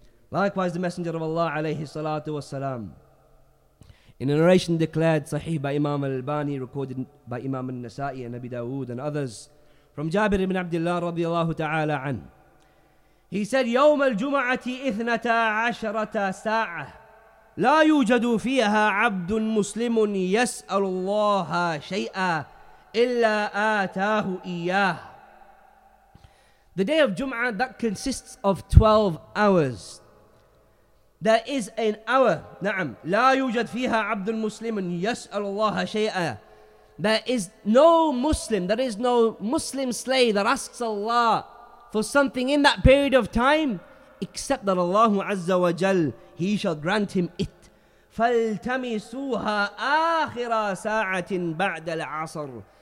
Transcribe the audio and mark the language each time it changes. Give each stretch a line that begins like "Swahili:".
English: Likewise, the Messenger of Allah alayhi salatu wa salam, in a narration declared sahih by Imam al-Albani, recorded by Imam al-Nasa'i and Abi Dawood and others, from Jabir ibn Abdullah radiallahu ta'ala an, he said,
Arabic: يوم الجمعة إثنة عشرة ساعة لا يوجد فيها عبد مسلم يسأل الله شيئا إلا آتاه إياه.
English: The day of Jum'ah that consists of 12 hours. There is an hour,
Arabic: نعم, لا يوجد فيها عبد مسلم يسأل الله شيئا.
English: There is no Muslim, there is no Muslim slave that asks Allah for something in that period of time, except that Allah Azza wa Jal, He shall grant him it.
Arabic: فَالْتَمِسُوهَا آخِرَ سَاعَةٍ بَعْدَ الْعَصَرِ.